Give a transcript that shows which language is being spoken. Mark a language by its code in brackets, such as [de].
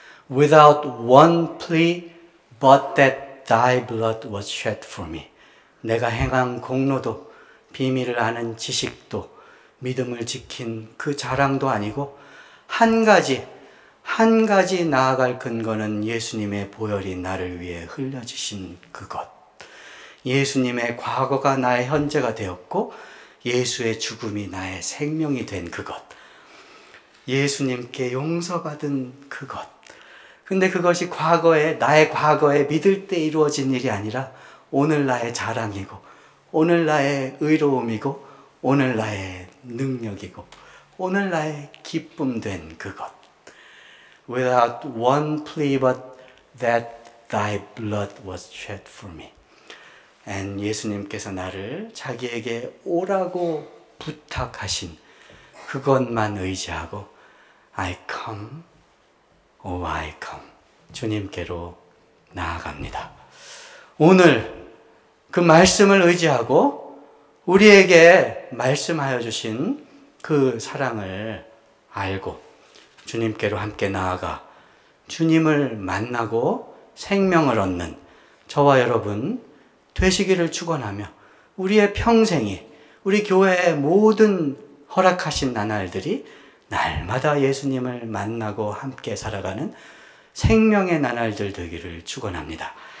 [en] Without one plea, but that thy blood was shed for me. [ko] 내가 행한 공로도, 비밀을 아는 지식도, 믿음을 지킨 그 자랑도 아니고 한 가지 나아갈 근거는 예수님의 보혈이 나를 위해 흘려지신 그것. 예수님의 과거가 나의 현재가 되었고 예수의 죽음이 나의 생명이 된 그것. 예수님께 용서받은 그것. 근데 그것이 나의 과거에 믿을 때 이루어진 일이 아니라 오늘 나의 자랑이고 오늘 나의 의로움이고 오늘 나의 능력이고 오늘 나의 기쁨 된 그것. [en] Without one plea but that thy blood was shed for me. [ko] And 예수님께서 나를 자기에게 오라고 부탁하신 그것만 의지하고 [en] I come, oh I come. [ko] 주님께로 나아갑니다. 오늘 그 말씀을 의지하고 우리에게 말씀하여 주신 그 사랑을 알고 주님께로 함께 나아가 주님을 만나고 생명을 얻는 저와 여러분 되시기를 축원하며 우리의 평생이 우리 교회의 모든 허락하신 나날들이 날마다 예수님을 만나고 함께 살아가는 생명의 나날들 되기를 축원합니다.